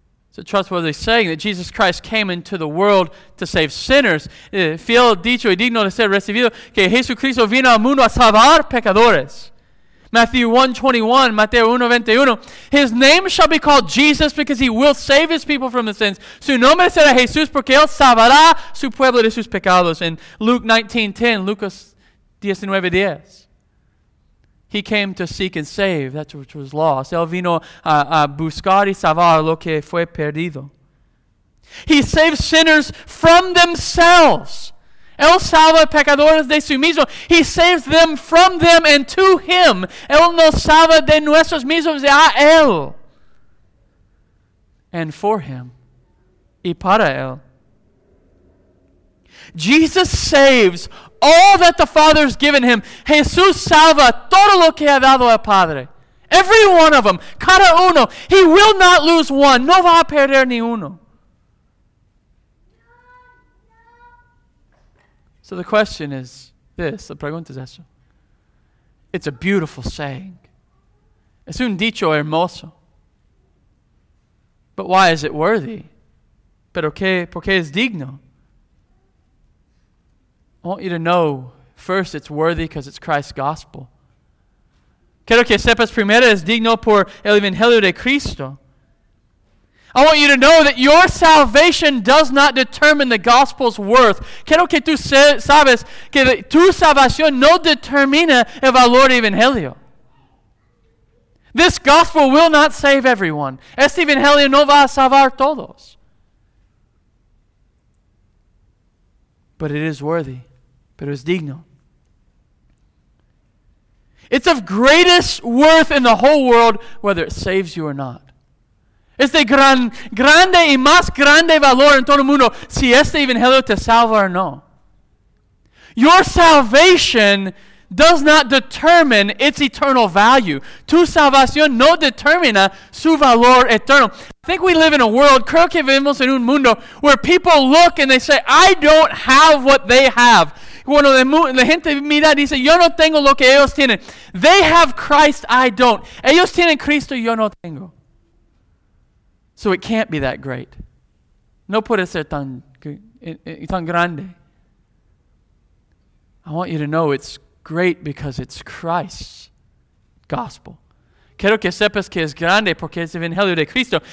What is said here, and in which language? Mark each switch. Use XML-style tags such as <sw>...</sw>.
<en>It's a trustworthy saying that Jesus Christ came into the world to save sinners.</en> <es>Fiel dicho y digno de ser recibido que Jesucristo vino al mundo a salvar pecadores.</es> <en>Mateo 1:21, his name shall be called Jesus because he will save his people from his sins.</en> <es>Su nombre será Jesús porque él salvará su pueblo de sus pecados.</es> <en>In Lucas 19:10, he came to seek and save that which was lost.</en> <es>Él vino a buscar y salvar lo que fue perdido.</es> <en>He saves sinners from themselves.</en> <es>Él salva pecadores de sí mismo.</es> <en>He saves them from them and to him.</en> <es>Él nos salva de nuestros mismos y a él.</es> <en>And for him.</en> <es>Y para él.</es> <en>Jesus saves all that the Father's given him.</en> <es>Jesús salva todo lo que ha dado el Padre.</es> <en>Every one of them.</en> <es>Cada uno.</es> <en>He will not lose one.</en> <es>No va a perder ni uno.</es> <en>So the question is this,</en> <es>la pregunta es eso.</es> <en>It's a beautiful saying.</en> <es>Es un dicho hermoso.</es> <en>But why is it worthy?</en> <es>Pero que, ¿por qué es digno?</es> <en>I want you to know, first, it's worthy because it's Christ's gospel.</en> <es>Quiero que sepas primero, es digno por el Evangelio de Cristo.</es> <en>I want you to know that your salvation does not determine the gospel's worth.</en> <es>Quiero que tú sabes que tu salvación no determina el valor del Evangelio.</es> <en>This gospel will not save everyone.</en> <es>Este Evangelio no va a salvar todos. But it is worthy. Pero es digno.</es> <en>It's of greatest worth in the whole world, whether it saves you or not.</en> <es>Es de grande y más grande valor en todo el mundo, si este Evangelio te salva o no.</es> <en>Your salvation does not determine its eternal value.</en> <es>Tu salvación no determina su valor eterno.</es> <en>I think we live in a world,</en> <es>creo que vivimos en un mundo,</es> <en>where people look and they say, I don't have what they have.</en> <es>Bueno, la gente mira y dice, yo no tengo lo que ellos tienen.</es> <en>They have Christ, I don't.</en> <es>Ellos tienen Cristo, yo no tengo.</es> <en>So it can't be that great.</en> <es>No puede ser tan grande.</es> <en>I want you to know it's great because it's Christ's gospel.</en> <es>Quiero que sepas que es grande porque es el Evangelio de Cristo.</es>